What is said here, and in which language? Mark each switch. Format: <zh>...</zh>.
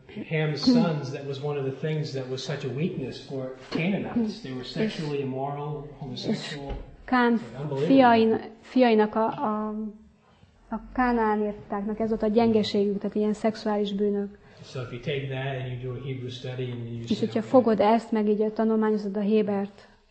<en>Ham's sons, that was one of the things that was such a weakness for Canaanites. They were sexually immoral, homosexual.</en> <hu>Kán fiainak a kánaánértáknak ez volt a gyengeségük, tehát ilyen szexuális bűnök.</hu> <en>So if you take that and you do a Hebrew study and you</en> <hu>és hogyha fogod ezt, meg így tanulmányozod a hébert.</hu>